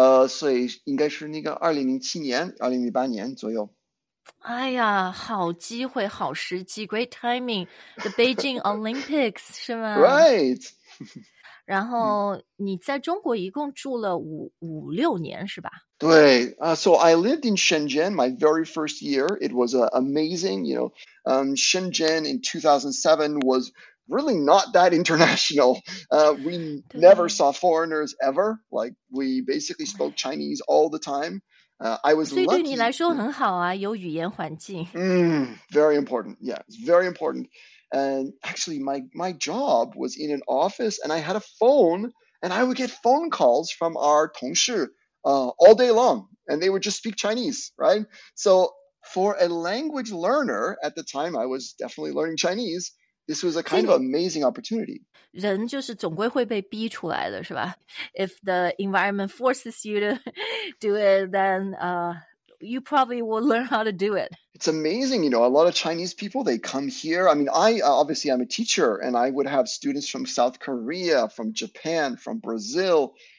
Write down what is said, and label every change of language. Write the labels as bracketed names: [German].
[Chinese] 所以应该是那个2008年左右。哎呀，好机会，好时机 ， [English] great timing， the Beijing Olympics [Chinese] 是吗 [English] ？Right 。 [Chinese] 然后你在中国一共住了五六年是吧？对啊、， [English] so I lived in Shenzhen my very first year. It was amazing, you know. Shenzhen in 2007 was really not that international. We never saw foreigners ever. Like, we basically spoke Chinese all the time. I was lucky. [Chinese] 所以对你来说很好啊，有语言环境。 [English] Very important. Yeah, it's very important. And actually, my job was in an office, and I had a phone, and I would get phone calls from our 同事, all day long, and they would just speak Chinese, right? So for a language learner at the time, I was definitely learning Chinese. This was a kind of amazing opportunity. [Chinese] 人就是总归会被逼出来的，是吧？ [English] If the environment forces you to do it, then you probably will learn how to do it. It's amazing. You know, a lot of Chinese people, they come here. I mean, I obviously I'm a teacher, and I would have students from South Korea, from Japan, from Brazil.